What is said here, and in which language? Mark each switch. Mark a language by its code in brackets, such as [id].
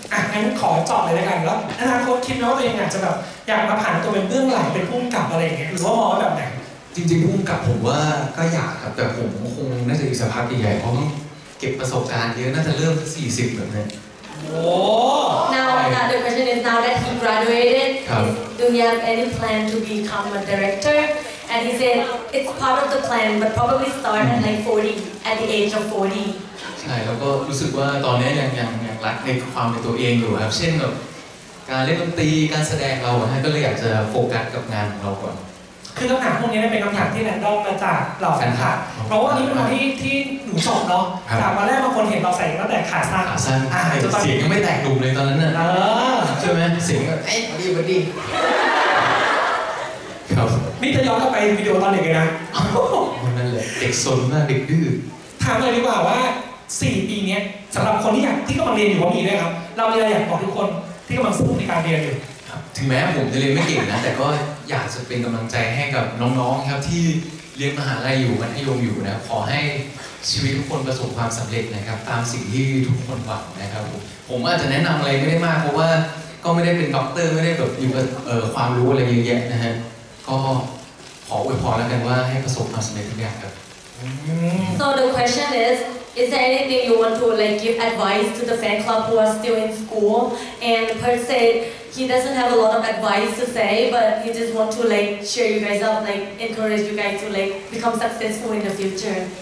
[th] อ่ะงั้นขอจอบเลยแล้วกันแล้วอนาคตคิดว่าตัวเองอยากจะแบบอยากมาผ่านตัวเป็นเบื้องหลังเป็นผู้กำกับอะไรอย่างเงี้ยหรือว่ามองแบบไหน จริงๆผู้กำกับผมว่าก็อยากครับแต่ผมคงน่าจะอยู่สภาพใหญ่ๆเพราะต้องเก็บประสบการณ์เยอะน่าจะเริ่มที่40แบบนี้โอ้ [en] Now the question is now that he graduated do you have any plan to become a director and he said it's part of the plan but probably start at like 40 at the age of 40 [th] ใช่แล้วก็รู้สึกว่าตอนนี้ยังรักในความเป็นตัวเองอยู่ครับเช่นแบบการเล่นดนตรีการแสดงเราฮะก็เลยอยากจะโฟกัสกับงานของเราก่อน คือคำถามพวกนี้เป็นคำถามที่แรนดอมมาจากเหล่าแฟนคลับเพราะว่านี้เป็นวันที่หนูสอบเนาะจากวันแรกบางคนเห็นเราใส่ตั้งแต่ขาสั้น เสียงยังไม่แตกดุมเลยตอนนั้นน่ะ เออ ใช่ไหมเสียงก็เอ๊ะพอดีพอดีครับ นี่จะย้อนกลับไปวิดีโอตอนเด็กเลยนะ วันนั้นแหละเด็กสนมากเด็กดื้อ ถามเลยดีกว่าว่า4ปีนี้สำหรับคนที่อยากที่กำลังเรียนอยู่ก็มีด้วยครับเรามีอะไรอยากบอกทุกคนที่กำลังสู้ในการเรียนอยู่ถึงแม้ผมจะเรียนไม่เก่งนะแต่ก็อยากจะเป็นกำลังใจให้กับน้องๆครับที่เรียนมหาลัยอยู่มัธยมอยู่นะขอให้ชีวิตทุกคนประสบความสำเร็จนะครับตามสิ่งที่ทุกคนหวังนะครับผมอาจจะแนะนำอะไรไม่ได้มากเพราะว่าก็ไม่ได้เป็นด็อกเตอร์ไม่ได้แบบอยู่กับความรู้อะไรเยอะแยะนะฮะก็ขออวยพรแล้วกันว่าให้ประสบความสำเร็จทุกอย่างครับ [en] So the question is there anything you want to like give advice to the fan club who are still in school? And Per said he doesn't have a lot of advice to say, but he just want to like cheer you guys up, like encourage you guys to like become successful in the future.